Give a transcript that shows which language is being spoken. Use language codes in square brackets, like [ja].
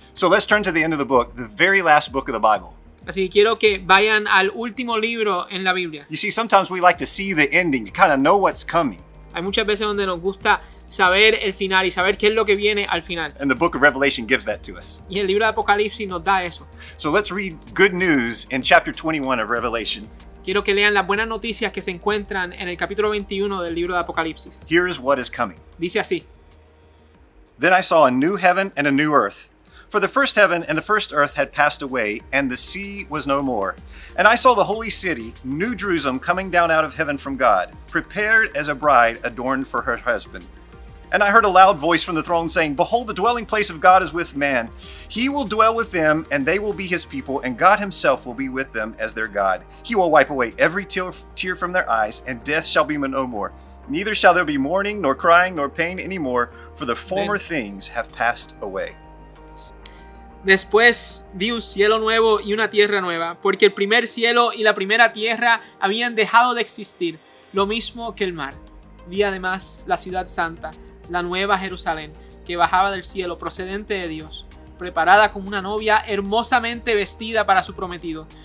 [en] So let's turn to the end of the book, the very last book of the Bible. [es] Así que quiero que vayan al último libro en la Biblia. [en] You see, sometimes we like to see the ending, kind of know what's coming. [es] Hay muchas veces donde nos gusta saber el final y saber qué es lo que viene al final. [en] And the book of Revelation gives that to us. [es] Y el libro de Apocalipsis nos da eso. [en] So let's read good news in chapter 21 of Revelation. [es] Quiero que lean las buenas noticias que se encuentran en el capítulo 21 del libro de Apocalipsis. [en] Here is what is coming. [es] Dice así. [en] Then I saw a new heaven and a new earth. For the first heaven and the first earth had passed away, and the sea was no more. And I saw the holy city, New Jerusalem, coming down out of heaven from God, prepared as a bride adorned for her husband. And I heard a loud voice from the throne saying, Behold, the dwelling place of God is with man. He will dwell with them, and they will be his people, and God himself will be with them as their God. He will wipe away every tear from their eyes, and death shall be no more. Neither shall there be mourning, nor crying, nor pain any more, for the former things have passed away. [es] Después vi un cielo nuevo y una tierra nueva, porque el primer cielo y la primera tierra habían dejado de existir, lo mismo que el mar. Vi además la ciudad santa, la nueva Jerusalén, que bajaba del cielo procedente de Dios, preparada como una novia hermosamente vestida para su prometido.